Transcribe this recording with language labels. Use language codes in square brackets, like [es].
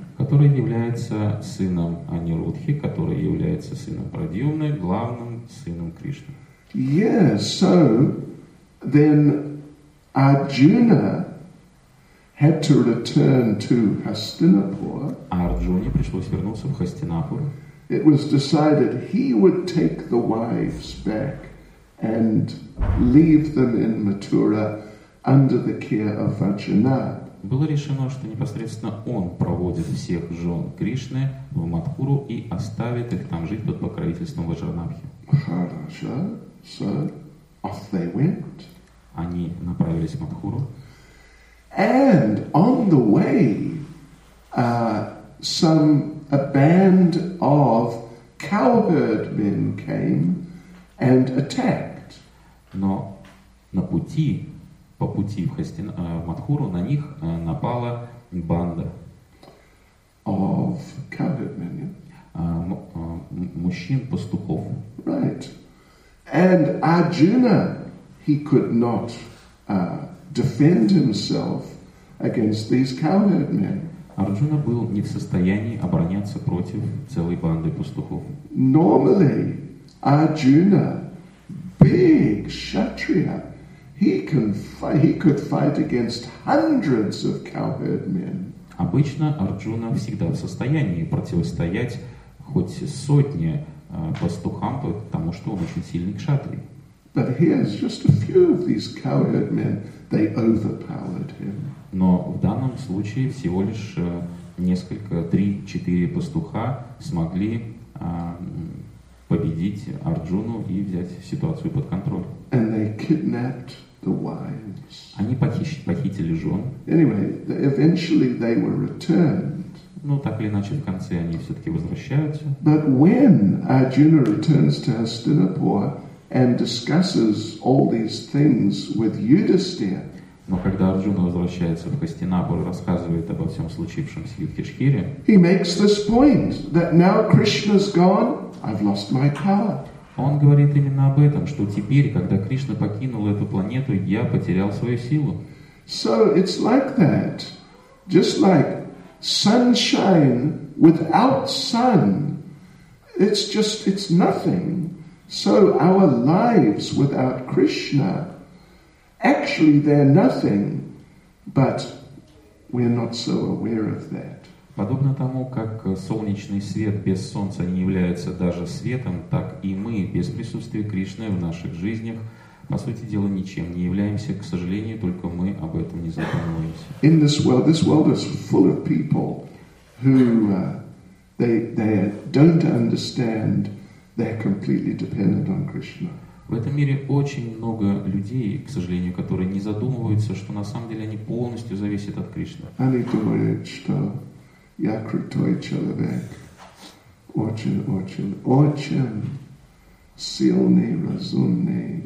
[ru] Который является сыном Анирудхи, который является сыном Прадьюмны, главным сыном Кришны. [en] Yeah, so then Arjuna had to return to Hastinapur. [ru] Арджуне пришлось вернуться в Хастинапур. [en] It was decided he would take the wives back and leave them in Mathura under the care of Vajranab. [ru] Было решено, что непосредственно он проводит всех жен Кришны в Матхуру и оставит их там жить под покровительством Ваджранабхи. Хорошо. [en] So, off they went. [ru] Они направились в Матхуру. [en] And on the way, some a band of cowherd men came and attacked. [ru] Но на пути, по пути в Матхуру, на них напала банда [en] of cowherd men, yeah? [ru] Мужчин-пастухов. [en] Right. And Arjuna, he could not defend himself against these cowherd men. [ru] Арджуна был не в состоянии обороняться против целой банды пастухов. [en] Normally, Arjuna, big kshatriya, he could fight against hundreds of cowherd men. [ru] Обычно Арджуна всегда в состоянии противостоять хоть сотне пастухам, потому что он очень сильный кшатрий. [en] But here's just a few of these cowherd men. They overpowered him. [ru] Но в данном случае всего лишь несколько, 3-4 пастуха смогли победить Арджуну и взять ситуацию под контроль. [en] And they kidnapped the wives. [ru] Они похитили жен. [en] Anyway, eventually they were returned. [ru] Ну, так или иначе, в конце они все-таки возвращаются. [en] But when Arjuna returns to Hastinapur and discusses all these things with Yudhisthira. [ru] Но когда Арджуна возвращается в Хастинапур и рассказывает обо всем случившемся Юдхиштхире, [en] he makes this point that now Krishna's gone, I've lost my power. [ru] Он говорит именно об этом, что теперь, когда Кришна покинул эту планету, я потерял свою силу. [en] So it's like that, just like sunshine without sun, it's nothing. So our lives without Krishna, actually they're nothing, but we're not so aware of that. [ru] Подобно тому, как солнечный свет без солнца не является даже светом, так и мы без присутствия Кришны в наших жизнях, по сути дела, ничем не являемся. К сожалению, только мы об этом не задумываемся. [en] In this world is full of people who they don't understand. They're completely dependent on Krishna. [ru] В этом мире очень много людей, к сожалению, которые не задумываются, что на самом деле они полностью зависят от Кришны. Они думают, что я крутой человек, очень-очень-очень сильный, разумный,